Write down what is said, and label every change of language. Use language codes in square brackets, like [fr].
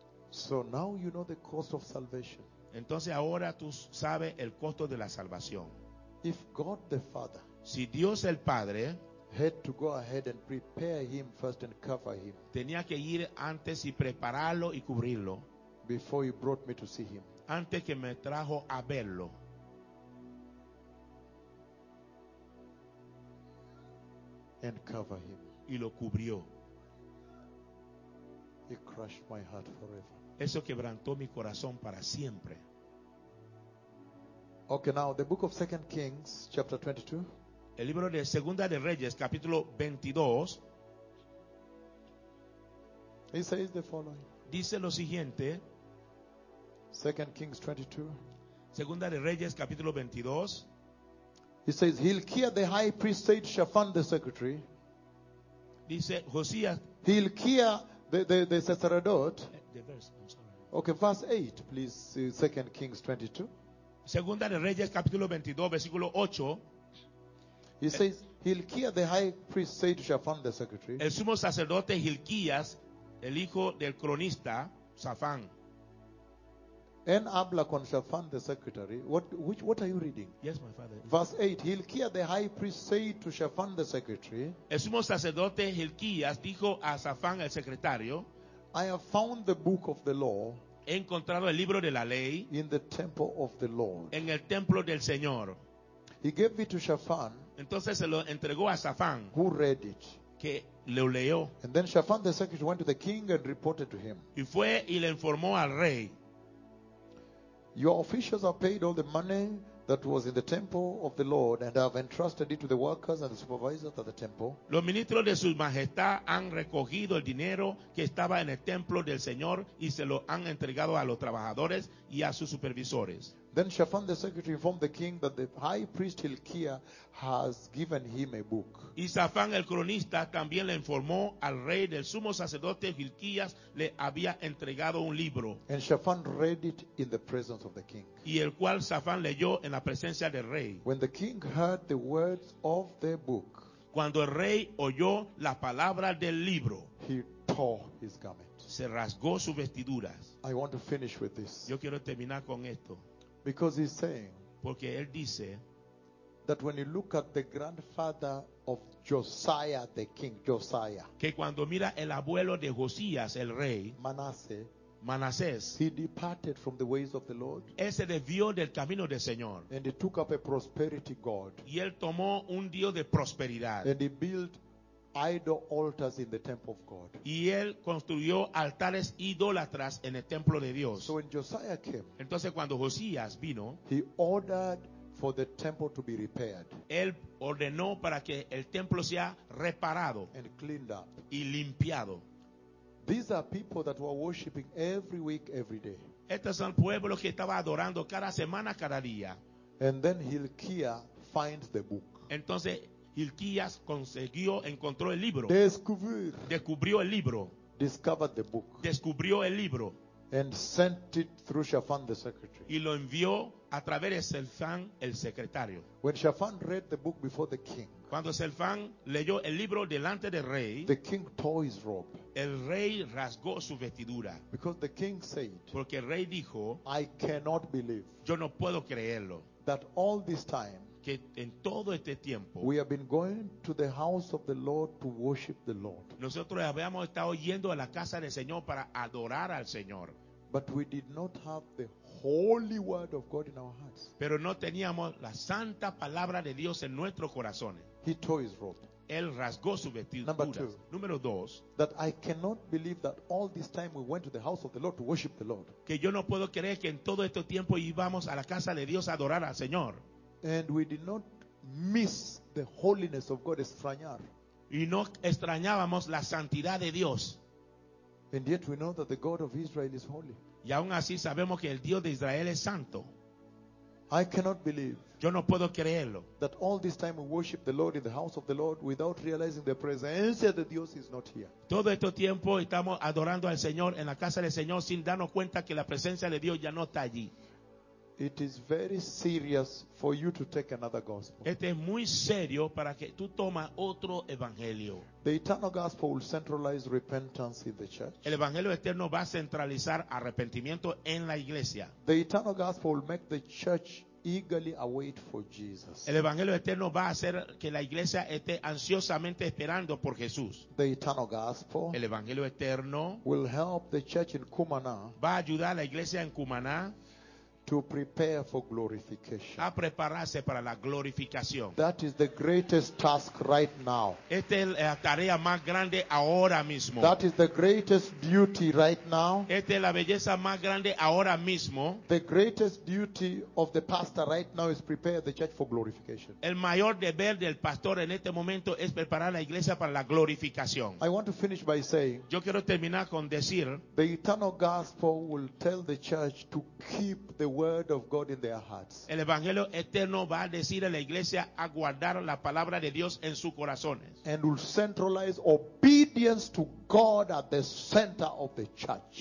[en] So now you know the cost of salvation. [es] Entonces ahora tú sabes el costo de la salvación. [en] If God the Father, [es] si Dios el Padre, [en] had to go ahead and prepare him first and cover him, [es] tenía que ir antes y prepararlo y cubrirlo, [en] before he brought me to see him, [es] antes que me trajo a verlo. [en] And cover him. [es] Y lo cubrió. [en] He crushed my heart forever. [es] Eso quebrantó mi corazón para siempre. [en] Okay, now the book of 2 Kings, chapter 22. [es] El libro de Segunda de Reyes, capítulo 22. [en] He says the following. [es] Dice lo siguiente. [en] 2 Kings 22. [es] Segunda de Reyes, capítulo 22. [en] He says, Hilkiah the high priest said, Shaphan the secretary. [es] Dice Josías. [en] Hilkiah the sacerdote. The verse, I'm sorry. Okay, verse 8, please. 2 Kings 22. [es] Segunda de Reyes, capítulo 22, versículo 8. [en] He says, Hilkiah the high priest said, Shaphan the secretary. [es] El sumo sacerdote Hilkías, el hijo del cronista, Shaphan. [en] And [es] habla con [en] Shaphan the secretary. What are you reading? Yes, my father. Verse 8. Hilkiah the high priest said to Shaphan the secretary. [es] El sumo sacerdote Hilkías dijo a Shaphan el secretario. [en] I have found the book of the law. [es] He encontrado el libro de la ley. [en] In the temple of the Lord. [es] En el templo del Señor. [en] He gave it to Shaphan. [es] Entonces se lo entregó a Shaphan. [en] Who read it? [es] Que lo leyó. [en] And then Shaphan the secretary went to the king and reported to him. [es] Y fue y le informó al rey. [en] Your officials have paid all the money that was in the temple of the Lord and have entrusted it to the workers and the supervisors of the temple. [es] Los ministros de su majestad han recogido el dinero que estaba en el templo del Señor y se lo han entregado a los trabajadores y a sus supervisores. [en] Then Shaphan the secretary informed the king that the high priest Hilkiah has given him a book. [es] Y Shaphan el cronista también le informó al rey del sumo sacerdote Hilkías le había entregado un libro. [en] And Shaphan read it in the presence of the king. [es] Y el cual Shaphan leyó en la presencia del rey. [en] When the king heard the words of the book, [es] cuando el rey oyó la palabra del libro, [en] he tore his garment. [es] Se rasgó sus vestiduras. [en] I want to finish with this. [es] Yo quiero terminar con esto. [en] Because he's saying, [es] porque él dice, [en] that when you look at the grandfather of Josiah, the king, Josiah, [es] que cuando mira el abuelo de Josías, el rey, [en] Manasés, he departed from the ways of the Lord. [es] Él se desvió del camino del Señor. [en] And he took up a prosperity god. [es] Y él tomó un dios de prosperidad. [en] And he built idol altars in the temple of God. [es] Y él construyó altares idólatras en el templo de Dios. [en] So when Josiah came, [es] entonces cuando Josías vino, [en] he ordered for the temple to be repaired. [es] Él ordenó para que el templo sea reparado [en] and cleaned up. [es] Y limpiado. [en] These are people that were worshiping every week, every day. [es] Este es el pueblo que estaba adorando cada semana, cada día. [en] And then Hilkiah finds the book. [es] Entonces Hilkiah consiguió, encontró el libro. Descubrió el libro. [en] Discovered the book. [es] Descubrió el libro. [en] And sent it through Shaphan the secretary. [es] Y lo envió a través de Shaphan el secretario. [en] When Shaphan read the book before the king. [es] Cuando Shaphan leyó el libro delante del rey. [en] The king tore his robe. [es] El rey rasgó su vestidura. [en] Because the king said. [es] Porque el rey dijo. [en] I cannot believe. [es] Yo no puedo creerlo. [en] That all this time. [es] Que en todo este tiempo. [en] We have been going to the house of the Lord to worship the Lord. [es] Nosotros habíamos estado yendo a la casa del Señor para adorar al Señor. [en] But we did not have the holy word of God in our hearts. [es] Pero no teníamos la santa palabra de Dios en nuestros corazones. [en] He tore his robe. [es] Él rasgó su vestidura. [en] Number two. [es] Número dos. [en] That I cannot believe that all this time we went to the house of the Lord to worship the Lord. [es] Que yo no puedo creer que en todo este tiempo íbamos a la casa de Dios a adorar al Señor. [en] And we did not miss the holiness of God, extrañar. [es] Y no extrañábamos la santidad de Dios. [en] And yet we know that the God of Israel is holy. [es] Y aún así sabemos que el Dios de Israel es santo. [en] I cannot believe. [es] Yo no puedo creerlo. [en] That all this time we worship the Lord in the house of the Lord without realizing the [es] presencia de Dios [en] is not here. [es] Todo este tiempo estamos adorando al Señor en la casa del Señor sin darnos cuenta que la presencia de Dios ya no está allí. [en] It is very serious for you to take another gospel. [es] Este es muy serio para que tú tomas otro evangelio. [en] The eternal gospel will centralize repentance in the church. [es] El evangelio eterno va a centralizar arrepentimiento en la iglesia. [en] The eternal gospel will make the church eagerly await for Jesus. [es] El evangelio eterno va a hacer que la iglesia esté ansiosamente esperando por Jesús. [en] The eternal gospel. [es] El evangelio eterno [en] will help the church in Cumaná. [es] Va a ayudar a la iglesia en Cumaná. [en] To prepare for glorification. [es] A prepararse para la glorificación. [en] That is the greatest task right now. [es] Esta es la tarea más grande ahora mismo. [en] That is the greatest duty right now. [es] Esta es la belleza más grande ahora mismo. [en] The greatest duty of the pastor right now is prepare the church for glorification. [es] El mayor deber del pastor en este momento es preparar la iglesia para la glorificación. [en] I want to finish by saying. [es] Yo quiero terminar con decir. [en] The eternal gospel will tell the church to keep the word of God in their hearts. [es] El evangelio eterno va a decir a la iglesia a guardar la palabra de Dios en sus corazones. [en] And will centralize obedience to God at the center of the church.